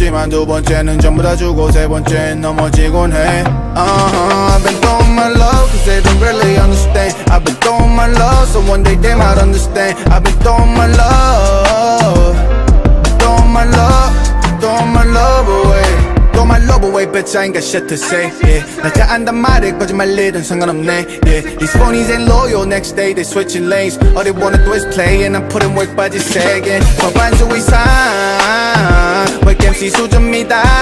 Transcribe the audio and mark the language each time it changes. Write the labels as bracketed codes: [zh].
[ko] 두 번째는 전부 다 주고 세 번째는 넘어지곤 해. [en] I've been throwing my love 'cause they don't really understand. I've been throwing my love so one day they might understand. I've been throwing my love, throwing my love, throwing my love away. Throw my love away, bitch, I ain't got shit to say. Yeah, [ko] 나 잘한단 말에 거짓말이든 상관없네. [en] Yeah, these phonies ain't loyal. Next day they switching lanes. All they wanna do is play, and I'm putting work by just sagging. [ko] 저반주의상 MC 수준이다.